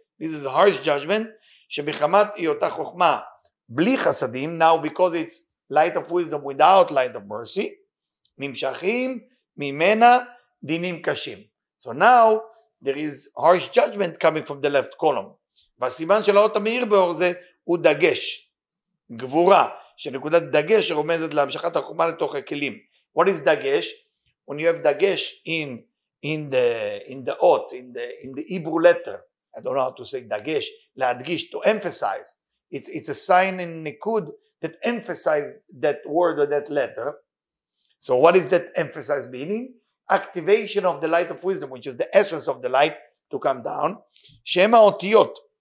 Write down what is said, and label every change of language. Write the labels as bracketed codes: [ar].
[en] This is a harsh judgment. [he] Shebichamat iota Chokhmah bli Chasadim. [en] Now, because it's light of wisdom without light of mercy, [he] Mimshachim, Mimena, Dinim Kashim. [en] So now, there is harsh judgment coming from the left column. [he] והסימן של האות המאיר באור זה הוא דגש. גבורה, שנקודת דגש רומזת להמשכת החוכמה לתוך הכלים. [en] What is דגש? When you have דגש in the אות, in the Hebrew letter. I don't know how to say dagesh, laadgish, to emphasize. It's a sign in Nikud that emphasizes that word or that letter. So what is that emphasized meaning? Activation of the light of wisdom, which is the essence of the light to come down. [he] Shema otiyot.